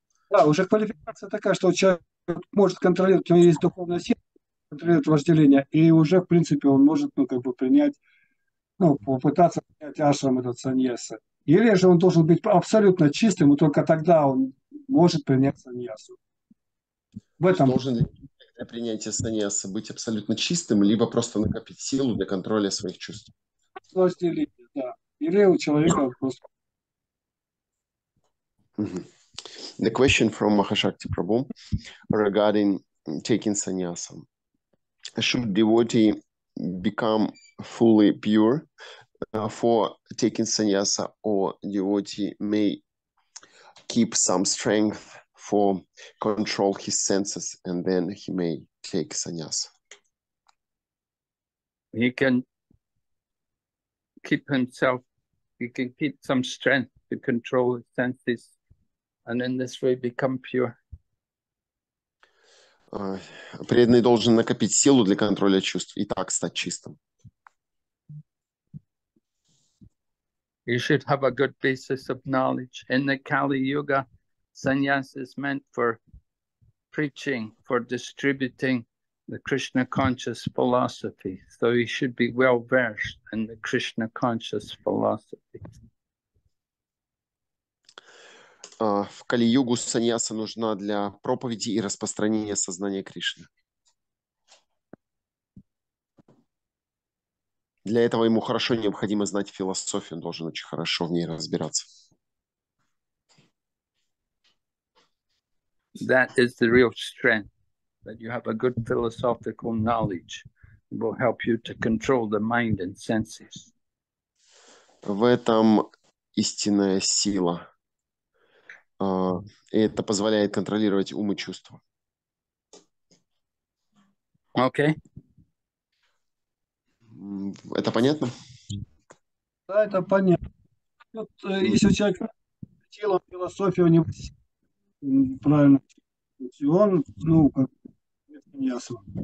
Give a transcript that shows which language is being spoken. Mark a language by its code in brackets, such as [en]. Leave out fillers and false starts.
[ru] Да, уже квалификация такая, что человек может контролировать, у него есть духовная сила, контролирует вожделение, и уже, в принципе, он может, ну, как бы принять, ну, попытаться принять ашрам этот саньяса. Или же он должен быть абсолютно чистым, и только тогда он может принять саньясу. В этом... Должен ли для принятия саньяса быть абсолютно чистым, либо просто накопить силу для контроля своих чувств? Вожделение, да. Или у человека просто... [en] The question from Mahashakti Prabhu regarding taking sannyasa. Should devotee become fully pure for taking sannyasa, or devotee may keep some strength for control his senses and then he may take sannyasa? He can keep himself, he can keep some strength to control his senses and in this way become pure. [ru] Преданный должен накопить силу для контроля чувств и так стать чистым. [en] You should have a good basis of knowledge. In the Kali Yuga, sannyasa is meant for preaching, for distributing the Krishna conscious philosophy. So you should be well versed in the Krishna conscious philosophy. [ru] В Кали-югу саньяса нужна для проповеди и распространения сознания Кришны. Для этого ему хорошо необходимо знать философию, он должен очень хорошо в ней разбираться. [en] That is the real strength, that you have a good philosophical knowledge will help you to control the mind and senses. [ru] В этом истинная сила. И это позволяет контролировать ум и чувства. Окей. Okay. Это понятно? Да, это понятно. Вот, если у человека тело, философия у него правильно, и он, ну, как не ясно.